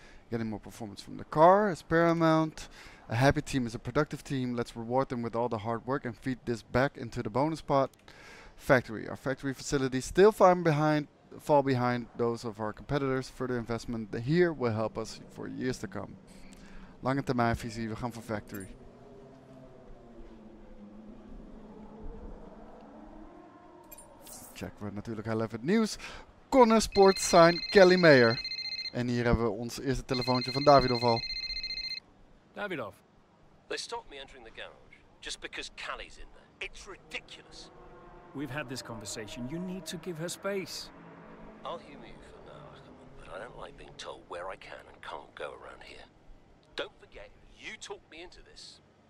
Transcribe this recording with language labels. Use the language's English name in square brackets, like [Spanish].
[English] Getting more performance from the car is paramount. A happy team is a productive team. Let's reward them with all the hard work and feed this back into the bonus pot. Factory. Our factory facilities still fall behind those of our competitors. Further investment here will help us for years to come. [Dutch] Lange termijn visie, we gaan voor factory. Checken we natuurlijk heel even het nieuws. Konnersport sign Callie Mayer. En hier hebben we ons eerste telefoontje van Davidov al. Davidov. [English] They stopped me entering the garage just because Callie's in there. It's ridiculous. We've had this conversation. You need to give her space. I'll humor you for now, but I don't like being told where I can and can't go around here. Don't forget, you talked me into this.